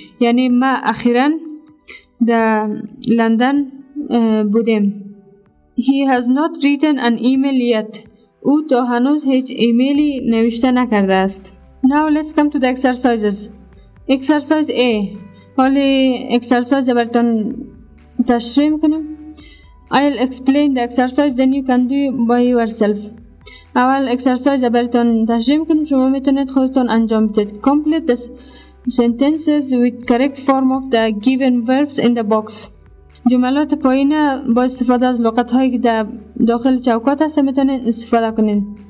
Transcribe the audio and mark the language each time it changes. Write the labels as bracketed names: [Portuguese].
[Persian] یعنی ما اخیراً در لندن بودیم. [English] He has not written an email yet. [Persian] او تا هنوز هیچ ایمیلی نوشته نکرده است. [English] Now let's come to the exercises. Exercise A. [Persian] حالی exercise براتون تشریح میکنم. [English] I'll explain the exercise, then you can do it by yourself. [Persian] اول exercise براتون تشریح میکنم، شما میتونید خودتون انجام بدید. [English] Complete the sentences with correct form of the given verbs in the box. [Persian] جملات پایین با استفاده از لغت هایی که در داخل چوکات هست میتونید استفاده کنید.